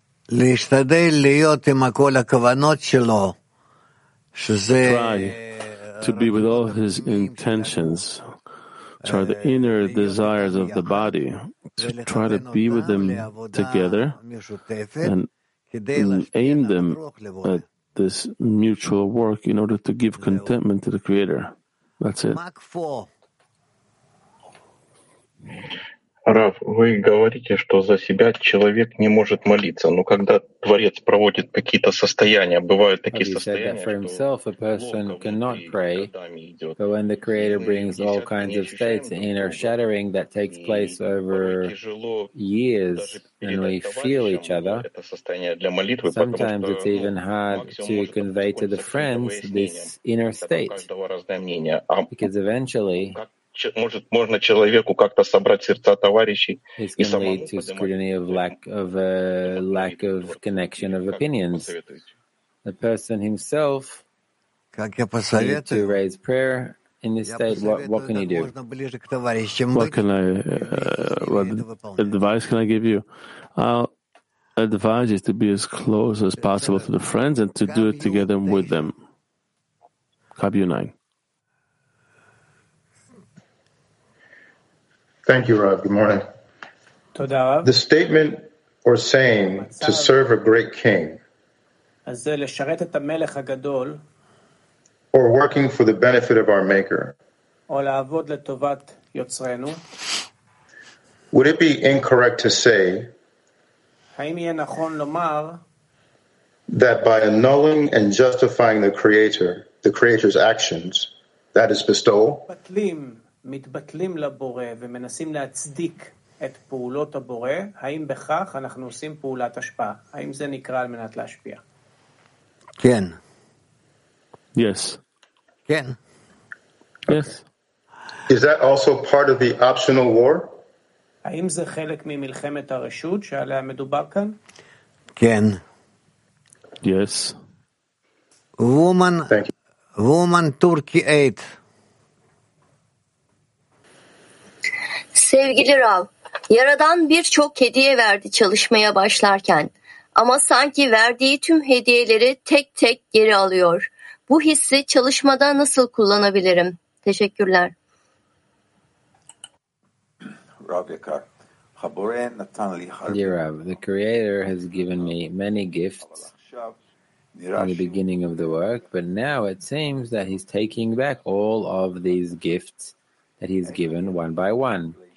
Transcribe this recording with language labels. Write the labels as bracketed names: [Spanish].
[English] Try to be with all his intentions, which are the inner desires of the body, to try to be with them together and aim them at this mutual work in order to give contentment to the Creator. That's it. [Russian] Рав, вы говорите, что за себя человек не может молиться, но когда Творец проводит какие-то состояния, бывают такие состояния, что [English] for himself a person cannot pray, but when the Creator brings all kinds of states, inner shattering that takes place over years, and we feel each other, sometimes it's even hard to convey to the friends this inner state, because eventually [Russian] можно человеку как-то собрать сердца товарищей и самому [English] lead to scrutiny of lack of connection of opinions. The person himself need to raise prayer in this state. What can he do? What advice can I give you? I'll advise you to be as close as possible to the friends and to do it together with them. Kabu 9. Thank you, Rav. Good morning. [Hebrew] Toda, Rav. [English] The statement or saying to serve a great king [Hebrew] הגדול, [English] or working for the benefit of our maker, [Hebrew] יוצרנו, [English] would it be incorrect to say [Hebrew] לומר, [English] that by annulling and justifying the Creator, the Creator's actions, that is bestowal? [Hebrew] בטלים. מתבטלים לבורא ומנסים להצדיק את פעולות הבורא, האם בכך אנחנו עושים פעולת השפעה? האם זה נקרא על מנת להשפיע? כן. [English] Yes. [Hebrew] כן. [English] Yes. Is that also part of the optional war? [Hebrew] האם זה חלק ממלחמת הרשות שעליה מדובר כאן? כן. [English] Yes. Woman Turkey 8. [Turkish] Sevgili Rav, Yaradan birçok hediye verdi çalışmaya başlarken ama sanki verdiği tüm hediyeleri tek tek geri alıyor. Bu hissi çalışmada nasıl kullanabilirim? Teşekkürler. [English] Dear Rav, the Creator has given me many gifts in the beginning of the work, but now it seems that he's taking back all of these gifts that he's given one by one.